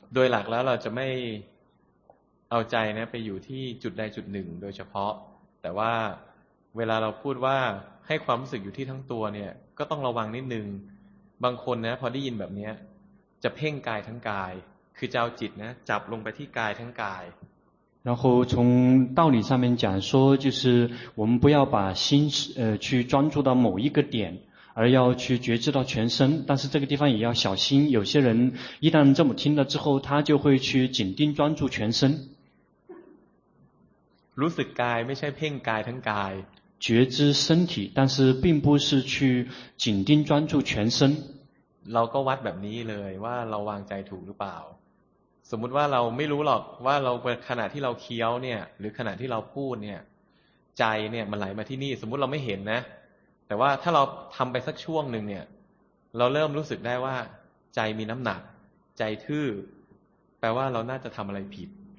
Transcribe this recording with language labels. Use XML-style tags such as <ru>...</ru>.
<th>โดยหลักแล้วเราจะไม่เอาใจนะไปอยู่ที่จุดใดจุดหนึ่งโดยเฉพาะแต่ว่าเวลาเราพูดว่าให้ความรู้สึกอยู่ที่ทั้งตัวเนี่ยก็ต้องระวังนิดนึงบางคนนะพอได้ยินแบบนี้จะเพ่งกายทั้งกายคือจะเอาจิตนะจับลงไปที่กายทั้งกาย</th> <zh>然后从道理上面讲说就是我们不要把心去专注到某一个点而要去觉知到全身但是这个地方也要小心有些人一旦这么听了之后他就会去紧盯专注全身</zh> <th>รู้สึกกายไม่ใช่เพ่งกายทั้งกาย</th> <zh>觉知身体但是并不是去紧盯专注全身</zh> <th>เราก็วัดแบบนี้เลยว่าเราวางใจถูกหรือเปล่าสมมุติว่าเราไม่รู้หรอกว่าเราขณะที่เราเคี้ยวเนี่ยหรือขณะที่เราพูดเนี่ยใจเนี่ยมันไหลมาที่นี่สมมุติเราไม่เห็นนะแต่ว่าถ้าเราทำไปสักช่วงหนึ่งเนี่ยเราเริ่มรู้สึกได้ว่าใจมีน้ำหนักใจทื่อแปลว่าเราน่าจะทำอะไรผิด</th>